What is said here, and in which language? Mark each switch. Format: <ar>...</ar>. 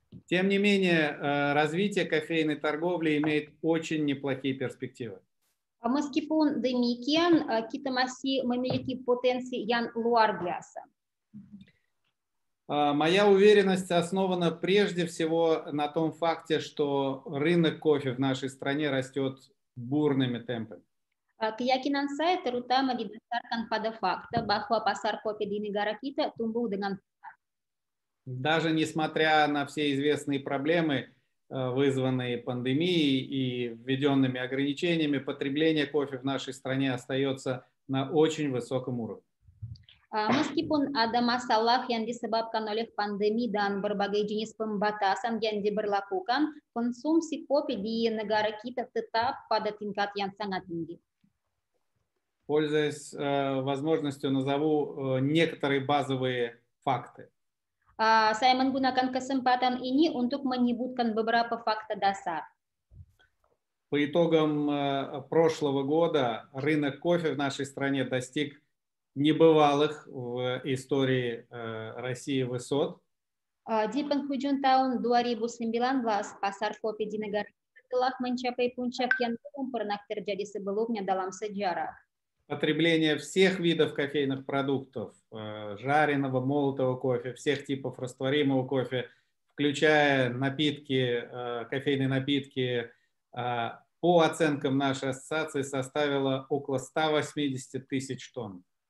<ru>Тем не менее, развитие кофейной торговли имеет очень неплохие перспективы.</ru> <id>Meskipun demikian, kita masih memiliki potensi yang luar biasa.</id> <ru>Моя уверенность основана прежде всего на том факте, что рынок кофе в нашей стране растет бурными темпами.</ru> <id>Keyakinan saya terutama didasarkan pada fakta bahwa pasar kopi di negara kita tumbuh dengan cepat.</id> <ru>Даже несмотря на все известные проблемы, вызванные пандемией и введенными ограничениями, потребление кофе в нашей стране остается на очень высоком уровне.</ru> <id>Meskipun ada masalah yang disebabkan oleh pandemi dan berbagai jenis pembatasan yang diberlakukan, konsumsi kopi di negara kita tetap pada tingkat yang sangat tinggi.</id> <ru>Пользуясь возможностью, назову некоторые базовые факты.</ru> <id>Saya menggunakan kesempatan ini untuk menyebutkan beberapa fakta dasar.</id> <ru>По итогам прошлого года рынок кофе в нашей стране достиг небывалых в истории России высот.</ru> <id>Di penghujung tahun 2019, pasar kopi di negara telah mencapai puncak yang belum pernah terjadi sebelumnya dalam sejarah.</id> <ru>Потребление всех видов кофейных продуктов, жареного, молотого кофе, всех типов растворимого кофе, включая напитки, кофейные напитки, по оценкам нашей ассоциации составило около 180 тысяч тонн.</ru>